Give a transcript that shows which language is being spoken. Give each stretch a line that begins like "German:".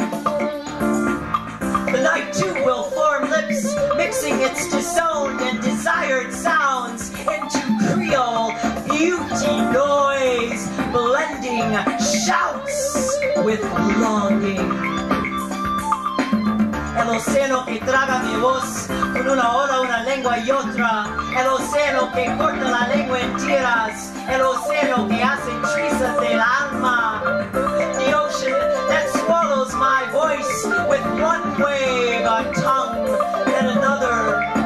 English: The night too will form lips, mixing its disowned and desired sounds into Creole beauty noise, blending shouts with longing.
Spanish: El océano que traga mi voz, con una ola, una lengua y otra. El océano que corta la lengua en tierras. El océano que hace trizas del alma.
English: The ocean that swallows my voice with one wave, a tongue, and another.